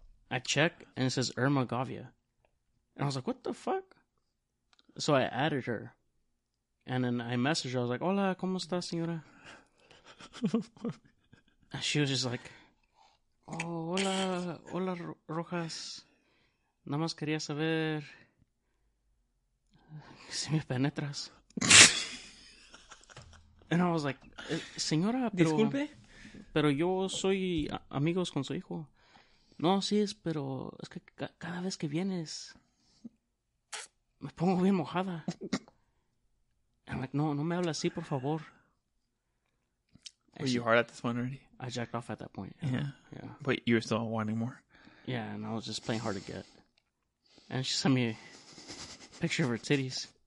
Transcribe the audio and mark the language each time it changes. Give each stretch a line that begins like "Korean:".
English: I check, and it says Irma Gavia. And I was like, what the fuck? So I added her, and then I messaged her. I was like,
Spanish: hola, ¿cómo está, señora?
English: And she was just like,
Spanish: Oh, hola, hola, Rojas. Nada más quería saber si me penetras.
English: And I was like,
Spanish: señora, pero... Disculpe. Pero yo soy amigos con su hijo. No, sí, es, pero es que cada vez que vienes, me pongo bien mojada.
English: And I'm like,
Spanish: no, no me hable así, por favor.
English: Were you hard at this point already? I jacked off at that point. Yeah. But you were still wanting more. Yeah, and I was just playing hard to get. And she sent me a picture of her titties.